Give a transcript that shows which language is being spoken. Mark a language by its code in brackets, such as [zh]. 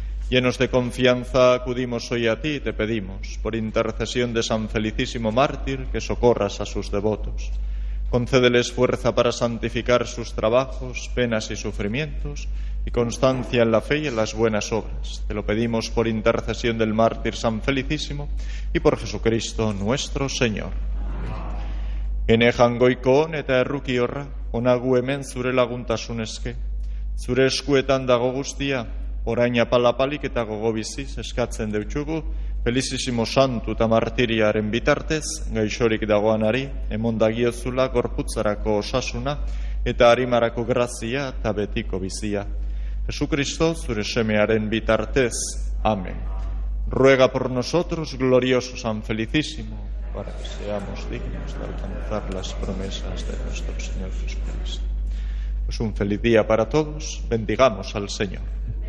[es] Llenos de confianza, acudimos hoy a ti y te pedimos, por intercesión de San Felicísimo Mártir, que socorras a sus devotos. Concédeles fuerza para santificar sus trabajos, penas y sufrimientos, y constancia en la fe y en las buenas obras. Te lo pedimos por intercesión del mártir San Felicísimo y por Jesucristo nuestro Señor. [eu] Ene jangoikoon eta erruki horra, onagu hemen zure laguntasun eske. Zure eskuetan dago guztia, orain apalapalik eta gogo biziz eskatzen deutxugu, Felicísimo santu eta martiriaren bitartez, gaixorik dagoanari, emondagiozula gorputzarako osasuna eta arimarako grazia eta betiko bizia. Jesucristo, zure semearen bitartez. Amen. [es] Ruega por nosotros, glorioso San Felicísimo, para que seamos dignos de alcanzar las promesas de nuestro Señor Jesucristo. Pues un feliz día para todos. Bendigamos al Señor.